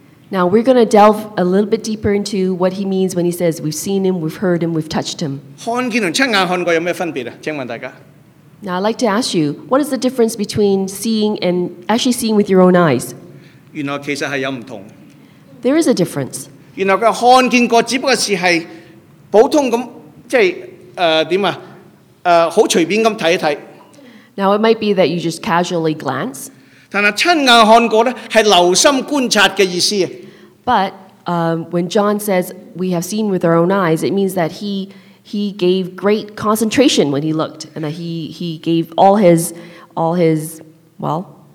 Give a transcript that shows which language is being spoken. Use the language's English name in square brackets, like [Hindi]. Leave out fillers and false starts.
[English] Now we're going to delve a little bit deeper into what he means when he says we've seen him, we've heard him, we've touched him. [Cantonese] 看见同亲眼看过有咩分别啊？请问大家。 [English] Now I'd like to ask you, what is the difference between seeing and actually seeing with your own eyes? [Cantonese] 原來其實係有唔同。 [English] There is a difference. [Cantonese] 原來佢看見過，只不過是係普通咁，即係點啊？好隨便咁睇一睇。 [English] Now it might be that you just casually glance. [Cantonese] 但係親眼看過咧，係留心觀察嘅意思。 [English] But when John says we have seen with our own eyes, it means that he gave great concentration when he looked, and that he gave all his well.